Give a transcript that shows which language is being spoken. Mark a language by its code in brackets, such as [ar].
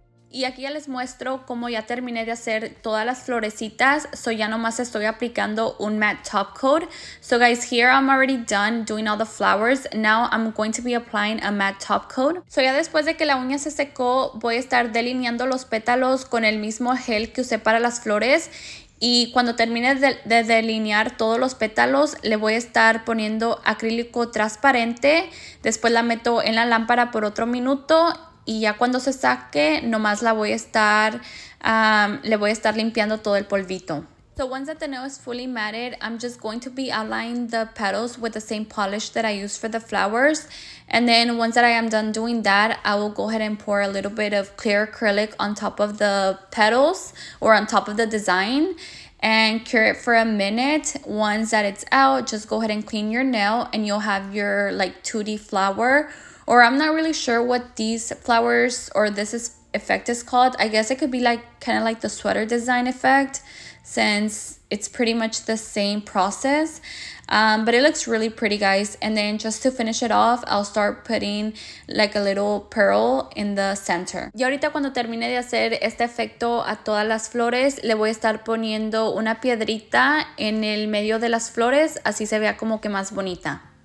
[es] Y aquí ya les muestro cómo ya terminé de hacer todas las florecitas. So ya nomás estoy aplicando un matte top coat. [en] So guys, here I'm already done doing all the flowers. Now I'm going to be applying a matte top coat. [es] So ya después de que la uña se secó, voy a estar delineando los pétalos con el mismo gel que usé para las flores. Y cuando termine de delinear todos los pétalos, le voy a estar poniendo acrílico transparente. Después la meto en la lámpara por otro minuto. Y ya cuando se saque, nomás la voy a estar, le voy a estar limpiando todo el polvito. [en] So once that the nail is fully matted, I'm just going to be aligning the petals with the same polish that I used for the flowers. And then once that I am done doing that, I will go ahead and pour a little bit of clear acrylic on top of the petals or on top of the design and cure it for a minute. Once that it's out, just go ahead and clean your nail and you'll have your like 2D flower. Or I'm not really sure what these flowers or this is effect is called. I guess it could be like kind of like the sweater design effect since it's pretty much the same process. But it looks really pretty, guys. And then just to finish it off, I'll start putting like a little pearl in the center. [es] Y ahorita cuando termine de hacer este efecto a todas las flores, le voy a estar poniendo una piedrita en el medio de las flores. Así se vea como que más bonita.